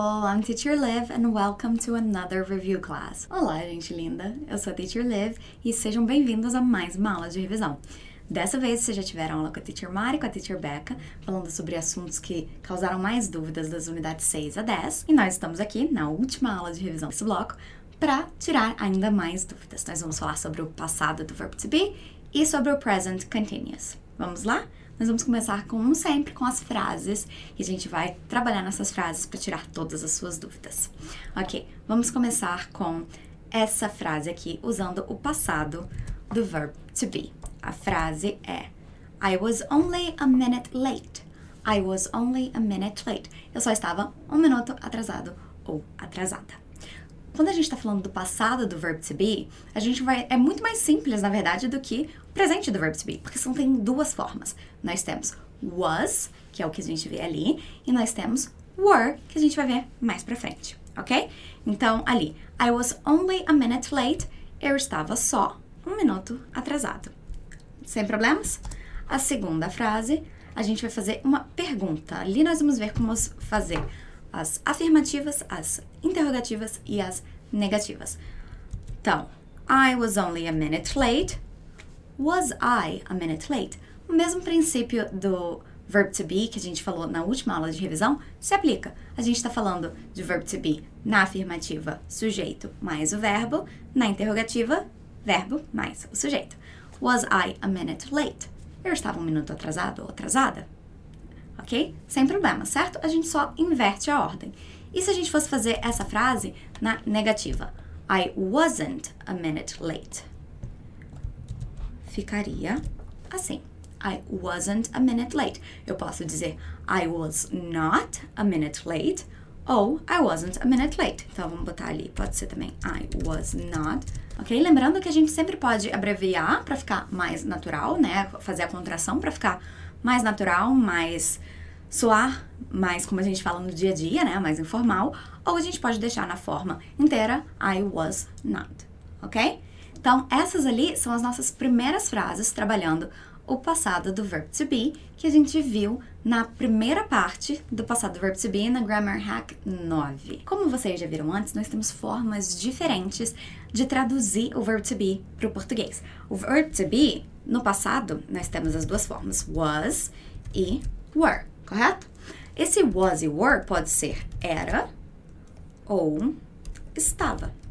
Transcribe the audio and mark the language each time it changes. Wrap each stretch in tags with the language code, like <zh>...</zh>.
<en>I'm Teacher Liv and welcome to another review class.</en> <pt>Olá, gente linda. Eu sou a Teacher Liv e sejam bem-vindos a mais uma aula de revisão. Dessa vez, vocês já tiveram aula com a Teacher Mari e com a Teacher Becca, falando sobre assuntos que causaram mais dúvidas das unidades 6 a 10. E nós estamos aqui na última aula de revisão desse bloco para tirar ainda mais dúvidas. Nós vamos falar sobre o passado do verbo to be e sobre o present continuous. Vamos lá? Nós vamos começar, como sempre, com as frases e a gente vai trabalhar nessas frases para tirar todas as suas dúvidas. Ok, vamos começar com essa frase aqui, usando o passado do verb to be. A frase é</pt> <en>I was only a minute late. I was only a minute late.</en> <pt>Eu só estava um minuto atrasado ou atrasada. Quando a gente está falando do passado do verb to be, a gente vai... É muito mais simples, na verdade, do que o presente do verb to be, porque são tem duas formas. Nós temos was, que é o que a gente vê ali, e nós temos were, que a gente vai ver mais pra frente, ok? Então, ali,</pt> <en>I was only a minute late,</en> <pt>eu estava só um minuto atrasado. Sem problemas? A segunda frase, a gente vai fazer uma pergunta. Ali nós vamos ver como fazer as afirmativas, as interrogativas e as negativas.</pt> <en>Então, I was only a minute late. Was I a minute late?</en> <pt>O mesmo princípio do verb to be que a gente falou na última aula de revisão se aplica. A gente está falando de verb to be na afirmativa, sujeito mais o verbo, na interrogativa, verbo mais o sujeito.</pt> <en>Was I a minute late?</en> <pt>Eu estava um minuto atrasado ou atrasada? Ok? Sem problema, certo? A gente só inverte a ordem. E se a gente fosse fazer essa frase na negativa?</pt> <en>I wasn't a minute late.</en> <pt>Ficaria assim.</pt> <en>I wasn't a minute late.</en> <pt>Eu posso dizer</pt> <en>I was not a minute late ou I wasn't a minute late.</en> <pt>Então, vamos botar ali. Pode ser também</pt> <en>I was not.</en> <pt>Ok? Lembrando que a gente sempre pode abreviar para ficar mais natural, né? Fazer a contração para ficar mais natural, mais soar, mais como a gente fala no dia a dia, né? Mais informal. Ou a gente pode deixar na forma inteira,</pt> <en>I was not,</en> <pt>ok? Então, essas ali são as nossas primeiras frases trabalhando o passado do verb to be, que a gente viu na primeira parte do passado do verb to be, na Grammar Hack 9. Como vocês já viram antes, nós temos formas diferentes de traduzir o verb to be para o português. O verb to be, no passado, nós temos as duas formas, was e were, correto? Esse was e were pode ser era ou estava.</pt>